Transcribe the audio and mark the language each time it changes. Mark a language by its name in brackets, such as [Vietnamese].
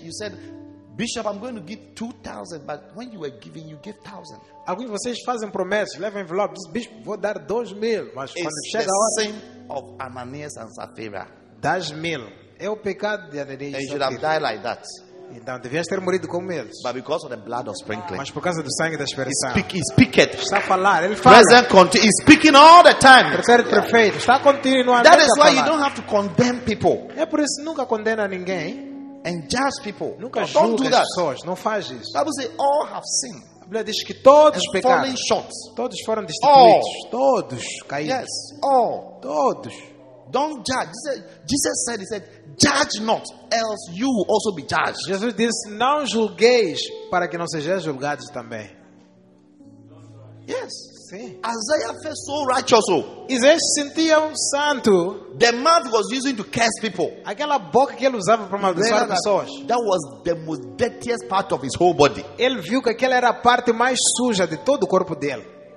[English] You said, Bishop, I'm going to give 2,000, but when you were giving, you gave 1,000. [Portuguese] Alguns de vocês fazem promessas, levam envelopes, Bishop, vou dar 2,000, mas [English] it's It's the same of Ananias and Sapphira. [Portuguese] 2,000 é o pecado de Ananias e Sapphira. [English] And you should have died like that. [Portuguese] Então, devias ter morrido com eles. [English] But because of the blood of sprinkling. [Portuguese] Mas por causa do sangue da esperança. [English] He speak it. [Portuguese] Está a falar, ele fala. [English] Present continue. He's speaking all the time. [Portuguese] Prefere perfeito. Está continuando a falar. [English] That is why you don't have to condemn people. [Portuguese] É por isso nunca condena ninguém. [English] And judge people. [Portuguese] Nunca julgue as pessoas. Não faz isso. [English] The Bible says all have sinned. [Portuguese] A Bíblia diz que todos [English] and [Portuguese] pecaram. [English] Fallen short. [Portuguese] Todos foram destituídos. Oh. Todos caíram. [English] Yes. All. [Portuguese] Todos. [English] Don't judge. Jesus said. Judge not, else you will also be judged. [Portuguese] Jesus disse, não julgueis para que não sejais julgados também. [English] Yes. [Portuguese] Sim. [English] Isaiah felt so righteous. [Portuguese] Isaías sentia santo. [English] The mouth was using to curse people. [Portuguese] Aquela boca que ele usava para amaldiçoar pessoas. [English] That was the most dirtiest part of his whole body. [Portuguese] Ele viu que aquela era a parte mais suja de todo o corpo dele.